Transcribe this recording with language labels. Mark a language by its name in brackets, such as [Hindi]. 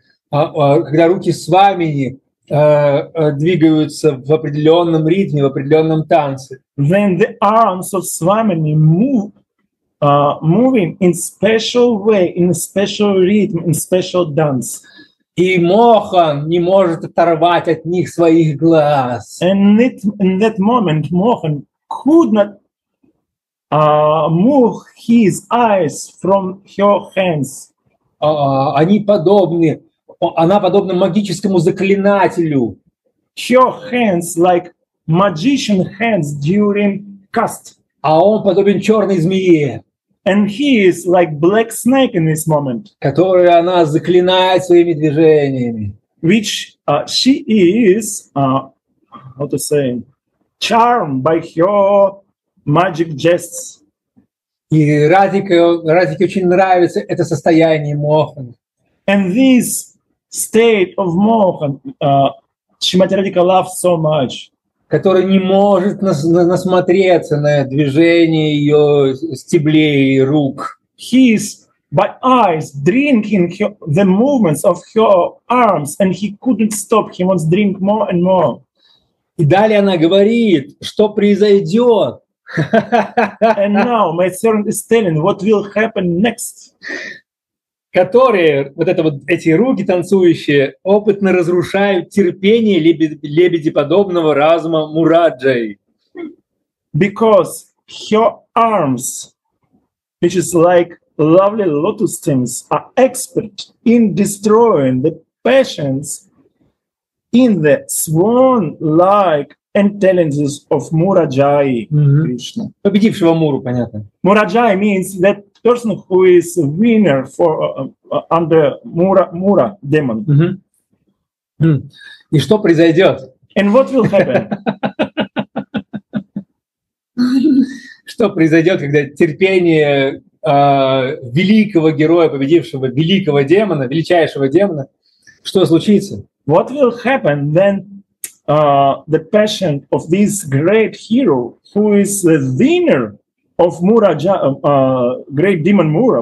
[Russian] Когда руки свамини двигаются в определенном ритме, в определенном танце. [English] When the arms of swamini moving in special way, in special rhythm, in special dance. [Russian] И Мохан не может оторвать от них своих глаз. [English] In that moment, Mohan could not move his eyes from her hands. [Russian] Она подобна магическому заклинателю. [English] Her hands like magician hands during cast. [Russian] А он подобен черной змее. [English] And he is like black snake in this moment. [Russian] Которую она заклинает своими движениями. [English] Which she is, how to say, charmed by her magic gestures. [Russian] И Радике очень нравится это состояние Мохан. [English] And this state of Mohan, Shrimati Radhika loves so much. [Russian] Который не может насмотреться на движение ее стеблей рук. [English] He is by eyes drinking the movements of her arms, and he couldn't stop. He wants to drink more and more. [Russian] И далее она говорит, что произойдет. [English] And now my servant is telling what will happen next. [Russian] Которые, вот это вот эти руки танцующие, опытно разрушают терпение лебедеподобного разума Мураджаи. [English] Because her arms, which is like lovely lotus stems, are expert in destroying the passions in the swan-like intelligence of Мураджаи Кришна. Mm-hmm. [Russian] Победившего Муру, понятно. [English] Мураджаи means that person who is winner for under Mura demon. [Russian] Mm-hmm. Mm. И что произойдет? [English] And what will happen? [Russian] Что произойдет, когда терпение великого героя, победившего великого демона, величайшего демона, что случится? [English] What will happen then? The passion of this great hero, who is the winner of Muraja, great demon Mura.